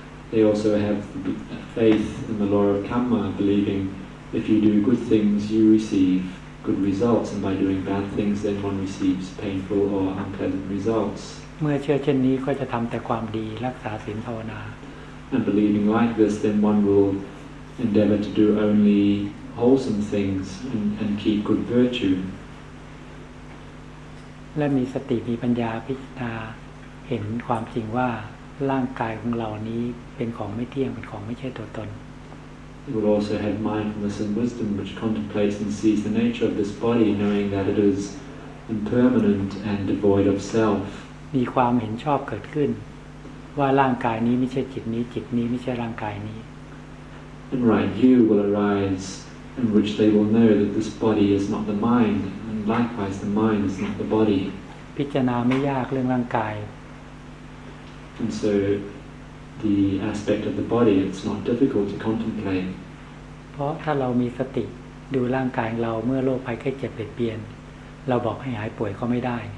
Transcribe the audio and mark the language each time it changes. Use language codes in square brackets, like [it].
[en] They also have faith in the law of karma, believing if you do good things, you receive good results, and by doing bad things, then one receives painful or unpleasant results. And believing like this, then one will endeavor to do only wholesome things and keep good virtue. [th] และมีสติมีปัญญาพิจารณาเห็นความจริงว่าร่างกายของเรานี้เป็นของไม่เที่ยงเป็นของไม่ใช่ตัวตน [en] You will also have mindfulness and wisdom which contemplates and sees the nature of this body knowing that it is impermanent and devoid of self [th] มีความเห็นชอบเกิดขึ้นว่าร่างกายนี้ไม่ใช่จิตนี้จิตนี้ไม่ใช่ร่างกายนี้ [en] And right view will arise in which they will know that this body is not the mindLikewise, the mind is not the body. [th] พิจารณาไม่ยากเรื่องร่างกาย [en] And so, the aspect of the body, it's not difficult to contemplate. [th] เพราะถ้าเรามีสติดูร่างกายเราเมื่อโรคภัยไข้เจ็บเปลี่ยนเปลี่ยนเราบอกให้หายป่วยก็ไม่ได